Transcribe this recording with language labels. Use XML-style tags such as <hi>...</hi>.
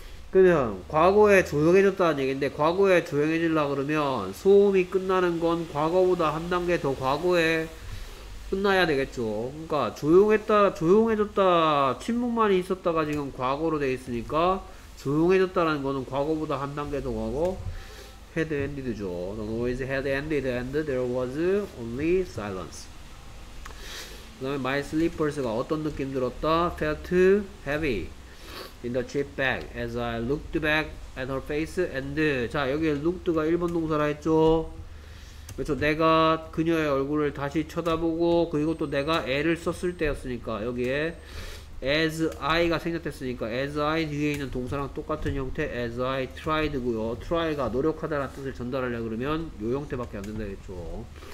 <ko>그러면 과거에 조용해졌다는 얘기인데, 과거에 조용해지려고 그러면 소음이 끝나는 건 과거보다 한 단계 더 과거에 끝나야 되겠죠. 그러니까 조용했다, 조용해졌다, 침묵만이 있었다가 지금 과거로 되어 있으니까, 조용해졌다라는 거는 과거보다 한 단계 더 과거 had ended죠.</ko> <en>The noise had ended and there was only silence.</en> <ko>그 다음에 my slippers가 어떤 느낌 들었다?</ko> <en>felt heavy in the chip bag as I looked back at her face and</en> <ko>자, 여기 looked가 1번 동사라 했죠. 그래서 내가 그녀의 얼굴을 다시 쳐다보고 그리고 또 내가 애를 썼을 때였으니까 여기에 as I가 생략됐으니까 as I 뒤에 있는 동사랑 똑같은 형태 as I tried고요. try가 노력하다라는 뜻을 전달하려 그러면 요 형태밖에 안 된다겠죠.</ko>